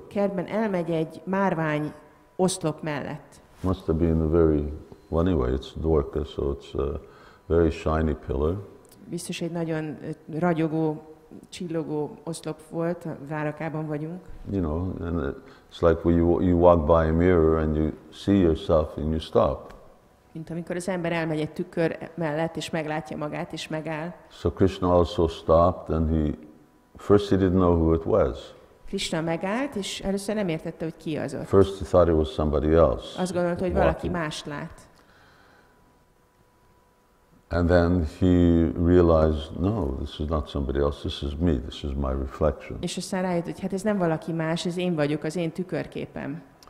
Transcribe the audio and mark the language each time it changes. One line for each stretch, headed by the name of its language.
Hungarian: Kertben elmegy egy márvány oszlop mellett.
English: Must have been a very, well anyway, it's Dvarka, so it's a very shiny pillar.
Hungarian: Biztos egy nagyon ragyogó, csillogó oszlop volt, Várakában vagyunk.
English: You know, and it's like when you walk by a mirror and you see yourself and you stop.
Hungarian: Mint amikor az ember elmegy egy tükör mellett és meglátja magát és megáll.
English: So Krishna also stopped and first he didn't know who it was.
Hungarian: Krishna megállt és először nem értette, hogy ki az ott.
English: First he thought it was somebody else.
Hungarian: Azt gondolta, hogy valaki más lát.
English: And then he realized, no, this is not somebody else, this is me, this is my reflection.
Hungarian: És aztán rájött, hogy hát ez nem valaki más, ez én vagyok, az én tükörképem.